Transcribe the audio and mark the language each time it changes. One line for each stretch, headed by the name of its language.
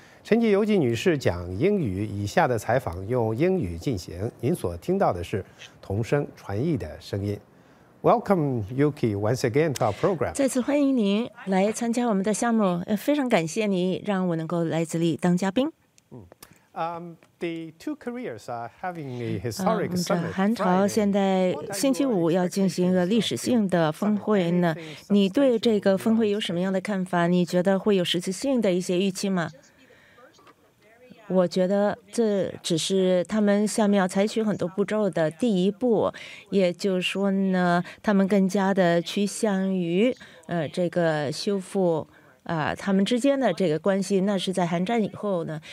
Chinese: 陈纪由纪女士讲英语，以下的采访用英语进行，您所听到的是同声传译的声音。
English: Welcome, Yuki, once again to our program.
Chinese: 再次欢迎您来参加我们的项目，非常感谢您让我能够来这里当嘉宾。
English: The two Koreas are having a historic summit.
Chinese: 韩朝现在星期五要进行一个历史性的峰会呢，你对这个峰会有什么样的看法？你觉得会有实质性的一些预期吗？我觉得这只是他们下面要采取很多步骤的第一步，也就是说呢，他们更加的趋向于这个修复他们之间的这个关系，那是在韩战以后呢。